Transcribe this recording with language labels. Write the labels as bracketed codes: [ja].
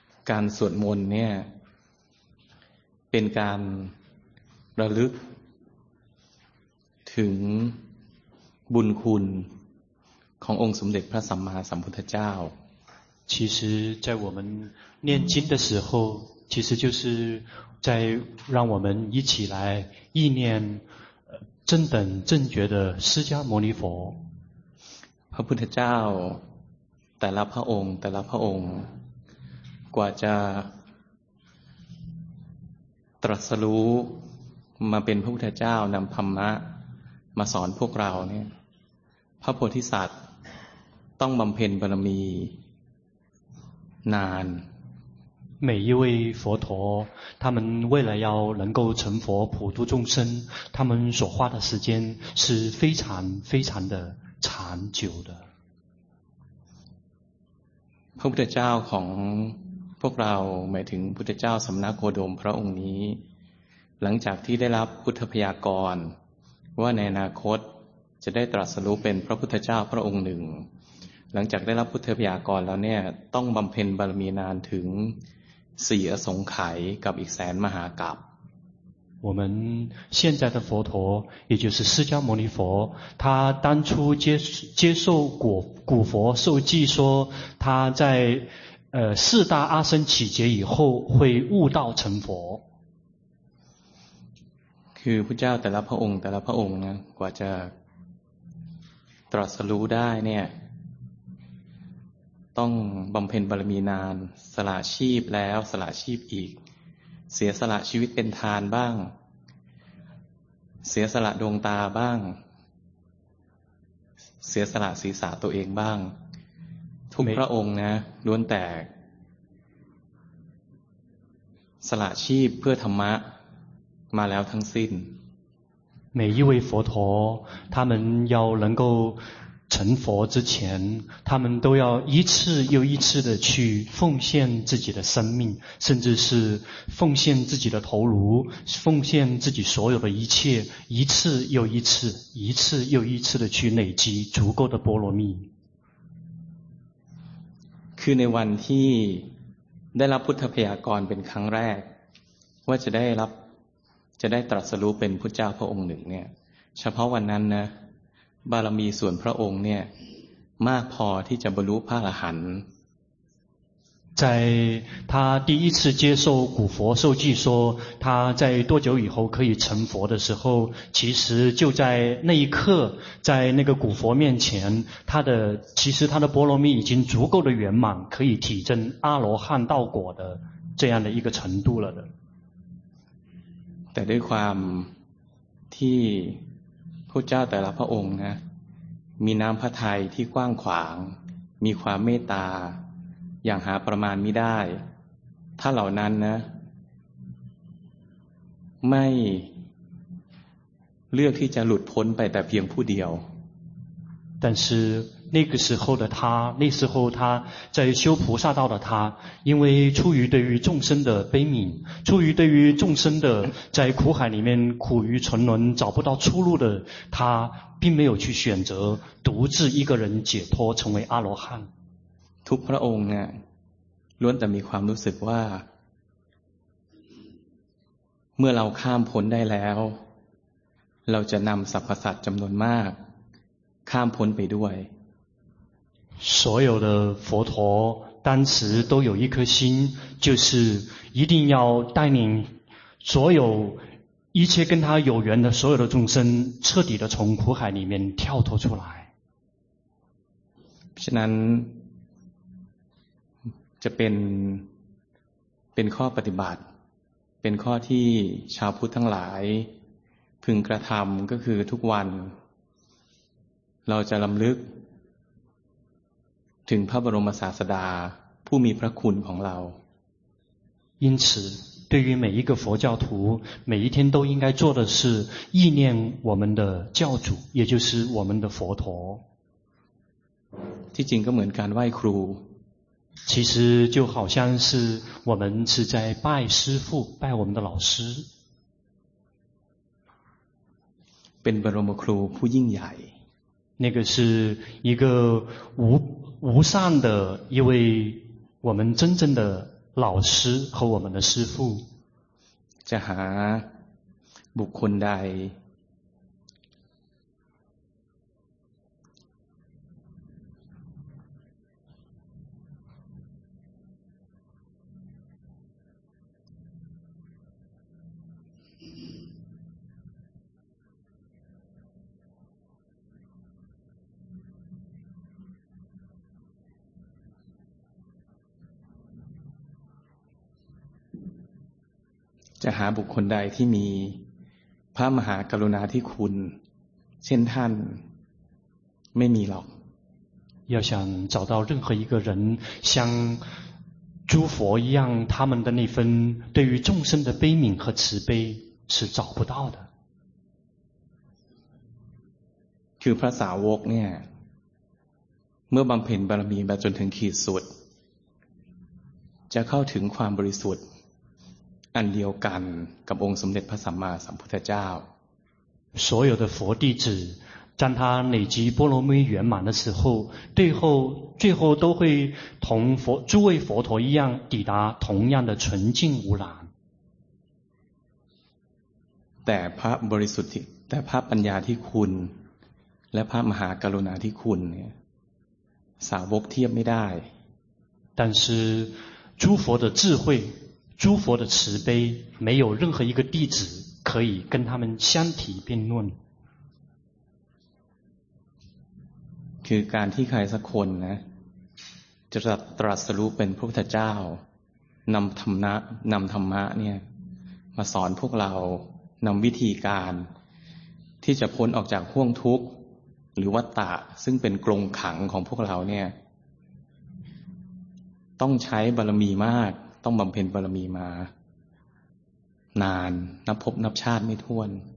[th] การสวดมนต์เนี่ยเป็นการระลึกถึงบุญคุณขององค์สมเด็จพระสัมมาสัมพุทธเจ้า [zh] 其实在我们念经的时候其实就是在让我们一起来意念正等正觉的释迦牟尼佛 [th] พระพุทธเจ้าแต่ละพระองค์แต่ละพระองค์กว่าจะตรัสรู้มาเป็นพระพุทธเจ้านำธรรมะมาสอนพวกเราเนี่ยพระโพธิสัตว์ต้องบำเพ็ญบารมีนาน [zh] 每一位佛陀他们为了要能够成佛普度众生他们所花的时间是非常非常的长久的 [th] พระพุทธเจ้าของพวกเราหมายถึงพุทธเจ้าสำนักโคดมพระองค์นี้หลังจากที่ได้รับพุทธพยากรว่าในอนาคตจะได้ตรัสรู้เป็นพระพุทธเจ้าพระองค์หนึ่งหลังจากได้รับพุทธพยากรแล้วเนี่ยต้องบำเพ็ญบารมีนานถึงสี่อสงไขยกับอีกแสนมหากัปป์ [zh] 我们现在的佛陀也就是释迦牟尼佛他当初接受古佛受记说他在四大阿僧祇劫以后会悟道成佛 [th] คือพระเจ้าแต่ละพระองค์แต่ละพระองค์นะกว่าจะตรัสรู้ได้เนี่ยต้องบำเพ็ญบารมีนานสละชีพแล้วสละชีพอีกเสียสละชีวิตเป็นทานบ้างเสียสละดวงตาบ้าง เสียสละศีรษะตัวเองบ้างทุกพระองค์นะล้วนแต่สละชีพเพื่อธรรมะมาแล้วทั้งสิ้น [zh] 每一位佛陀他们要能够成佛之前他们都要一次又一次的去奉献自己的生命甚至是奉献自己的头颅奉献自己所有的一切一次又一次一次又一次的去累积足够的波罗蜜 [th] คือในวันที่ได้รับพุทธพยากรเป็นครั้งแรกว่าจะได้ตรัสรู้เป็นพุทธเจ้าพระองค์หนึ่งเนี่ยเฉพาะวันนั้นนะบารมีส่วนพระองค์เนี่ยมากพอที่จะบรรลุพระอรหันต์ [zh] 在他第一次接受古佛授记说他在多久以后可以成佛的时候其实就在那一刻在那个古佛面前其实他的波罗蜜已经足够的圆满可以体证阿罗汉道果的这样的一个程度了的 [th] แต่ด้วยความที่พระเจ้าแต่ละพระองค์นะมีน้ำพระทัยที่กว้างขวางมีความเมตตาอย่างหาประมาณไม่ได้ถ้าเหล่านั้นนะไม่เลือกที่จะหลุดพ้นไปแต่เพียงผู้เดียว [zh] 但是那个时候的他那时候他在修菩萨道的他因为出于对于众生的悲悯出于对于众生的在苦海里面苦于沉沦找不到出路的他并没有去选择独自一个人解脱成为阿罗汉 [th] ทุกพระองค์เนี่ยล้วนแต่มีความรู้สึกว่าเมื่อเราข้ามพ้นได้แล้วเราจะนำสรรพสัตว์จำนวนมากข้ามพ้นไปด้วย [zh] 所有的佛陀当时都有一颗心就是一定要带领所有一切跟他有缘的所有的众生彻底的从苦海里面跳脱出来 [th] ฉะนั้นจะเป็นข้อปฏิบัติเป็นข้อที่ชาวพุทธทั้งหลายพึงกระทำก็คือทุกวันเราจะรำลึกถึงพระบรมศาสดาผู้มีพระคุณของเรา [zh] 因此对于每一个佛教徒每一天都应该做的是意念我们的教主也就是我们的佛陀 [th] ที่จริงก็เหมือนการไหว้ครู [zh] 其实就好像是我们是在拜师父拜我们的老师 [th] เป็นบรมครูผู้ยิ่งใหญ่ [zh] 那个是一个 无上的一位我们真正的老师和我们的师父。 [th] จะหาบุคคลใด จะหาบุคคลใดที่มีพระมหากรุณาธิคุณเช่นท่านไม่มีหรอก [zh] 要想找到任何一个人像诸佛一样他们的那份对于众生的悲悯和慈悲是找不到的 [th] คือพระสาวกเนี่ยเมื่อบำเพ็ญบารมีมาจนถึงขีดสุดจะเข้าถึงความบริสุทธิ์อันเดียวกันกับองค์สมเด็จพระสัมมาสัมพุทธเจ้า [zh] 所有的佛弟子当他累积波罗蜜圆满的时候最后都会同佛诸位佛陀一样抵达同样的纯净无染 [th] แต่พระบริสุทธิ์แต่พระปัญญาที่คุณและพระมหากรุณาที่คุณเนี่ยสาวกเทียบไม่ได้ [zh] 但是诸佛的智慧诸佛的慈悲没有任何一个弟子可以跟他们相提并论 [th] คือการที่ใครสักคนนะจะตรัสรู้เป็นพระพุทธเจ้านำธรรมะนำธรรมะเนี่ยมาสอนพวกเรานำวิธีการที่จะพ้นออกจากห้วงทุกข์หรือวัฏฏะซึ่งเป็นกรงขังของพวกเราเนี่ยต้องใช้บารมีมากต้องบำเพ็ญบารมีมานานนับภพนับชาติไม่ถ้วน